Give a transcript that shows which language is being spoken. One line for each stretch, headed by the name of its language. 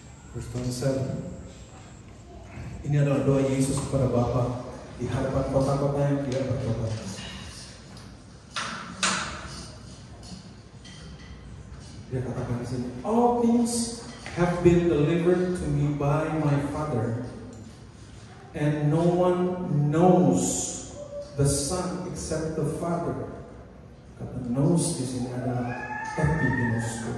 Indonesian: Ini adalah doa Yesus kepada Bapa di hadapan kota-kota yang dia bertobat. Dia katakan di sini,
English: all things have been delivered to me by my Father, and no one knows the Son except the Father.
Indonesian: Kata knows di sini adalah epigenos.